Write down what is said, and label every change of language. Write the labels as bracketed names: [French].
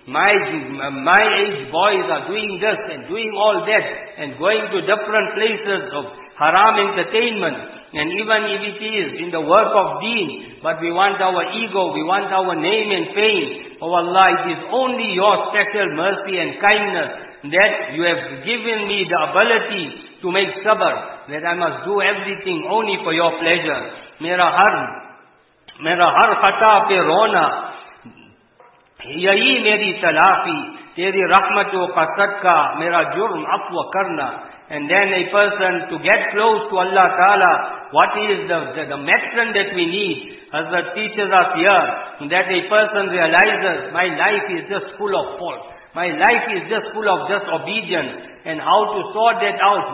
[English] My age boys are doing this and doing all that and going to different places of haram entertainment, and even if it is in the work of deen, but we want our ego, we want our name and fame. Oh Allah, it is only your special mercy and kindness that you have given me the ability to make sabr, that I must do everything only for your pleasure. [Urdu] Mera har khata pe rona, یہی میری تلافی تیری رحمتوں کا صدقہ میرا جرم عفو کرنا. [English] And then a person to get close to Allah Ta'ala, what is the medicine that we need? Hazrat teaches us here that a person realizes, my life is just full of fault. My life is just full of disobedience. And how to sort that out?